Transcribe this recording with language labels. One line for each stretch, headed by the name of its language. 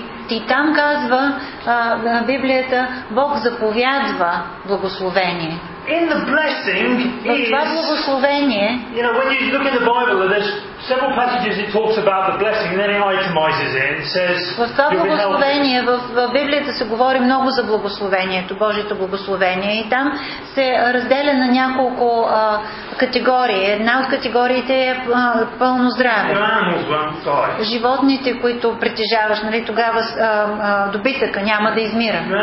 Bulgarian: И там казва Библията, Бог заповядва благословение.
English: In the blessing is,
Bulgarian: това благословение,
English: you know, when you look in the Bible, there's several passages it talks about the blessing, and then it itemizes it and says.
Bulgarian: В това благословение, в Библията се говори много за благословението, Божието благословение, и там се разделя на няколко категории. Една от категориите е пълно здраве. Животните, които притежаваш, нали, тогава добитъка няма да измира.